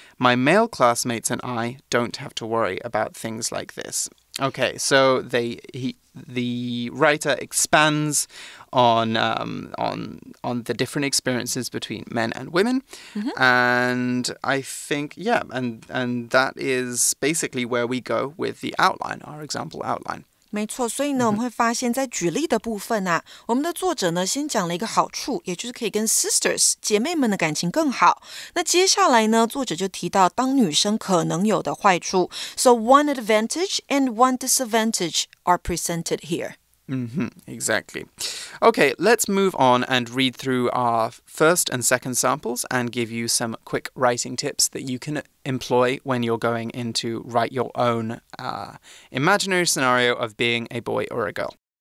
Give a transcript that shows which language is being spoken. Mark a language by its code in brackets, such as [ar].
[en] My male classmates and I don't have to worry about things like this. Okay, so the writer expands on the different experiences between men and women. Mm-hmm. And I think, yeah, and that is basically where we go with the outline, our example outline. [zh] 没错，所以呢，我们会发现，在举例的部分啊，我们的作者呢，先讲了一个好处，也就是可以跟 sisters 姐妹们的感情更好。那接下来呢，作者就提到当女生可能有的坏处。 [en] So one advantage and one disadvantage are presented here. Mm-hmm, exactly. Okay, let's move on and read through our first and second samples and give you some quick writing tips that you can employ when you're going in to write your own imaginary scenario of being a boy or a girl.